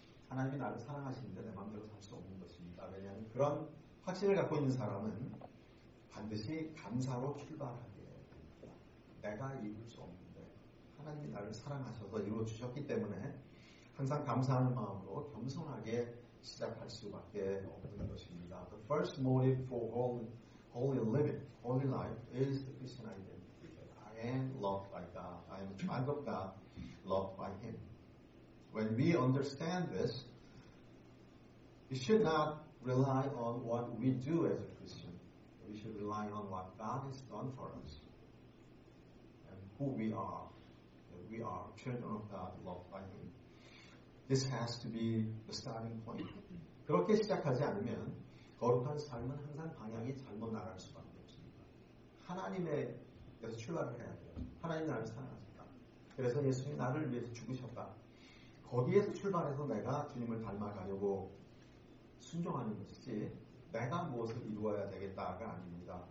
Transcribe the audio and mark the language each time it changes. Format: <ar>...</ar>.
<ko>하나님이 나를 사랑하시는데 내 마음대로 살 수 없는 것입니다. 왜냐하면 그런 확신을 갖고 있는 사람은 반드시 감사로 출발하게 됩니다. 내가 이룰 수 없는데 하나님이 나를 사랑하셔서 이루어주셨기 때문에 항상 감사하는 마음으로 겸손하게 시작할 수밖에 없는 것입니다.</ko> <en>The first motive for holy living, holy life is the Christian identity. I am loved by God. I am a child of God, loved by Him. When we understand this, we should not rely on what we do as a Christian. We should rely on what God has done for us and who we are. That we are children of God, loved by Him. This has to be the starting point.</en> <ko>그렇게 시작하지 않으면 거룩한 삶은 항상 방향이 잘못 나갈 수밖에 없습니다. 하나님의 그래서 출발을 해야 돼요. 하나님 나를 사랑하셨다. 그래서 예수님 나를 위해서 죽으셨다. 거기에서 출발해서 내가 주님을 닮아가려고 순종하는 것이지 내가 무엇을 이루어야 되겠다가 아닙니다.</ko>